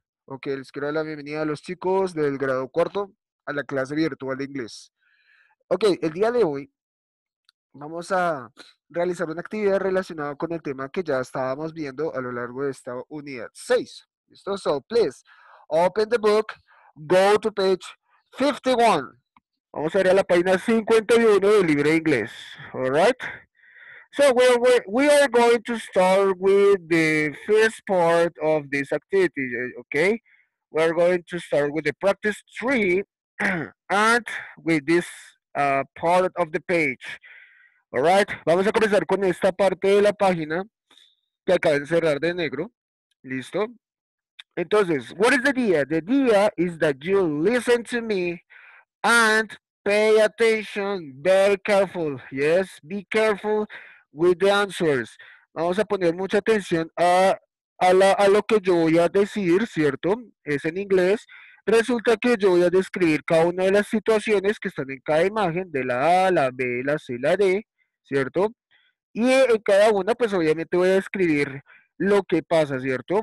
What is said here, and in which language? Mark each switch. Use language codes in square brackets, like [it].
[es] Okay, les quiero dar la bienvenida a los chicos del grado cuarto a la clase virtual de inglés. Okay, el día de hoy vamos a realizar una actividad relacionada con el tema que ya estábamos viendo a lo largo de esta unidad 6. ¿Listo? [en] So, please, open the book, go to page 51. [es] Vamos a ir a la página 51 del libro de inglés. [en] Alright? So, we are going to start with the first part of this activity, okay? We are going to start with the practice 3 and with this part of the page. Alright? [es] Vamos a comenzar con esta parte de la página que acaba de cerrar de negro. ¿Listo? Entonces, [en] what is the idea? The idea is that you listen to me and pay attention, very careful, yes, be careful with the answers. [es] Vamos a poner mucha atención a lo que yo voy a decir, ¿cierto? Es en inglés. Resulta que yo voy a describir cada una de las situaciones que están en cada imagen, de la A, la B, la C, la D, ¿cierto? Y en cada una, pues obviamente voy a describir lo que pasa, ¿cierto?